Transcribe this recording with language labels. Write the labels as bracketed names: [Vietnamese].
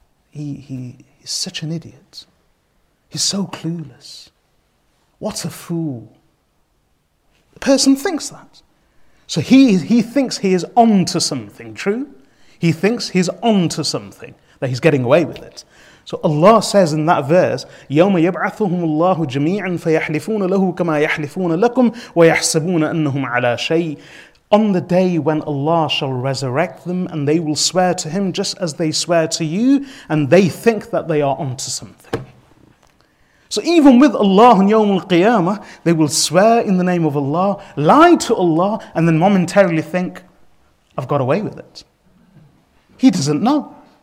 [English] He's such an idiot. He's so clueless. What a fool. The person thinks that. So he thinks he is on to something, true? He thinks he's on to something, that he's getting away with it. [Arabic] So Allah says in that verse, يَوْمَ يَبْعَثُهُمُ اللَّهُ جَمِيعًا فَيَحْلِفُونَ لَهُ كَمَا يَحْلِفُونَ لَكُمْ وَيَحْسَبُونَ أَنَّهُمْ عَلَىٰ شَيْءٍ. [English] On the day when Allah shall resurrect them, and they will swear to Him just as they swear to you, and they think that they are on to something. So even with Allah on Yawm al-Qiyamah, they will swear in the name of Allah, lie to Allah, and then momentarily think, I've got away with it. He doesn't know.